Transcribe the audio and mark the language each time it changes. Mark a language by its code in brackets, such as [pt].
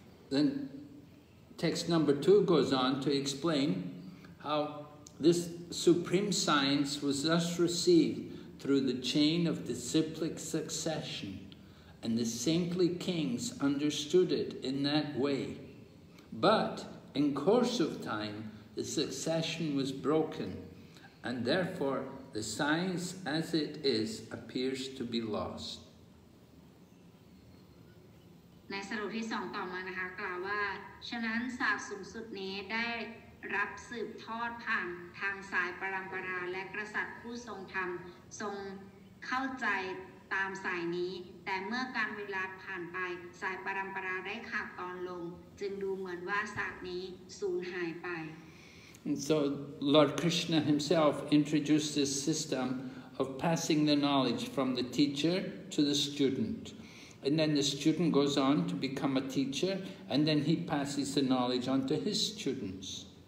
[en] Then text number 2 goes on to explain how this supreme science was thus received through the chain of the cyclic succession, and the saintly kings understood it in that way. But in course of time, the succession was broken, and therefore the science as it is appears to be lost. [th] ในสรุปที่สองต่อมานะคะกล่าวว่าฉะนั้นศาสตร์สูงสุดนี้ได้รับสืบทอดผ่านทางสายปรัมปราและกษัตริย์ผู้ทรงธรรมทรงเข้าใจตามสายนี้แต่เมื่อการเวลาผ่านไปสายปรัมปราได้ขาดตอนลงจึงดูเหมือนว่าศาสตร์นี้สูญหายไป [en] And so Lord Krishna himself introduced this system of passing the knowledge from the teacher to the student. And then the student goes on to become a teacher, and then he passes the knowledge on to his students.